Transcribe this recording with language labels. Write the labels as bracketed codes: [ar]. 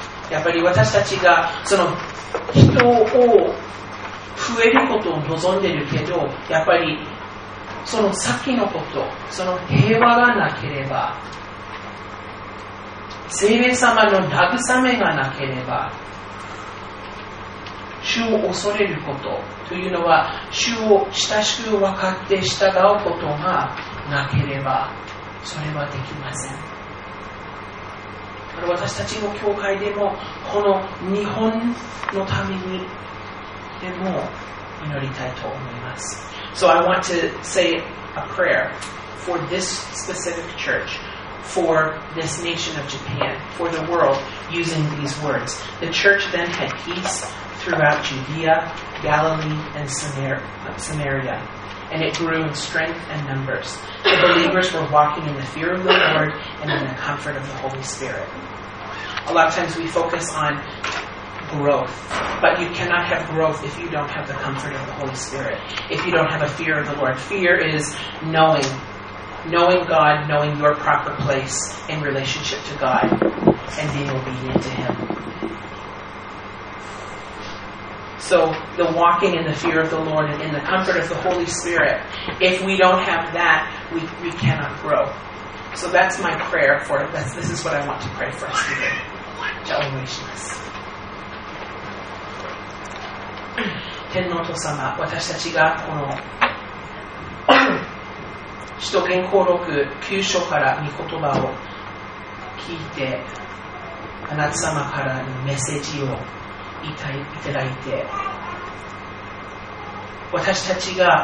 [ja] やっぱり私たちがその人を増えることを望んでるけど、やっぱりそのさっきのこと、その平和がなければ、聖霊様の慰めがなければ、主を恐れることというのは、主を親しく分かって従うことがなければそれはできません。私たちの教会でも、この日本のためにでも祈りたいと思います。 [en] So I want to say a prayer for this specific church, for this nation of Japan, for the world, using these words. The church then had peace throughout Judea, Galilee, and Samaria, and it grew in strength and numbers. The believers were walking in the fear of the Lord and in the comfort of the Holy Spirit. A lot of times we focus on growth, but you cannot have growth if you don't have the comfort of the Holy Spirit, if you don't have a fear of the Lord. Fear is knowing God, knowing your proper place in relationship to God, and being obedient to Him. So the walking in the fear of the Lord and in the comfort of the Holy Spirit, if we don't have that, we cannot grow. So that's my prayer for it. This is what I want to pray for us today. Jalimations. [ja] Tennoto-sama, 私たちがこの使徒言行録9章から御言葉を聞いて、あなた様からのメッセージをいただいて、私たち